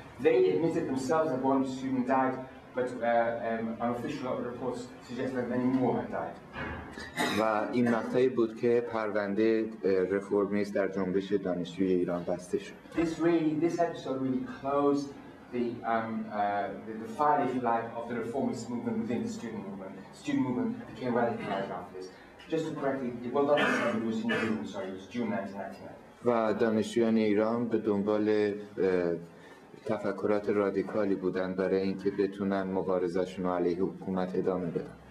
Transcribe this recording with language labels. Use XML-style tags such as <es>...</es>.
<en>They admitted themselves that one student died. But unofficial reports suggest that many more had died.</en> <fa>و این مقطعی بود که پرونده رفورمیست در جنبش دانشجوی ایران بسته شد.</fa> <en>This episode really closed the file, if you like, of the reformist movement within the student movement. The student movement became radicalized after this. Just to correct it, well, not this time, it was in June, sorry, it was June 1999.</en> <fa>و دانشجویان ایران به دنبال تفکرات رادیکالی بودن برای اینکه بتونن مبارزشون رو علیه حکومت ادامه بدن.</fa>